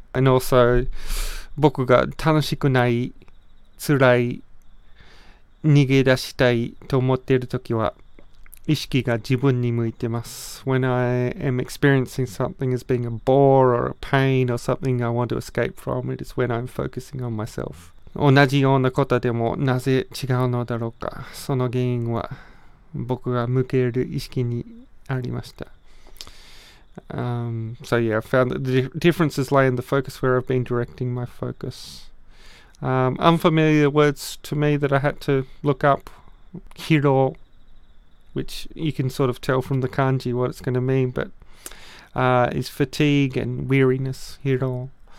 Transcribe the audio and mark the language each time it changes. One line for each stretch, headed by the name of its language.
Japanese: And also, 僕が楽しくない辛い、逃げ出したいと思っているときは、意識が自分に向いてます。
English: When I am experiencing something as being a bore or a pain or something I want to escape from, it is when I'm focusing on myself.
Japanese: 同じようなことでもなぜ違うのだろうか。その原因は、僕が向ける意識にありました。
English: So yeah, I found that the differences lay in the focus where I've been directing my focus. Unfamiliar words to me that I had to look up. Hiro, which you can sort of tell from the kanji what it's going to mean, but is fatigue and weariness, hiro.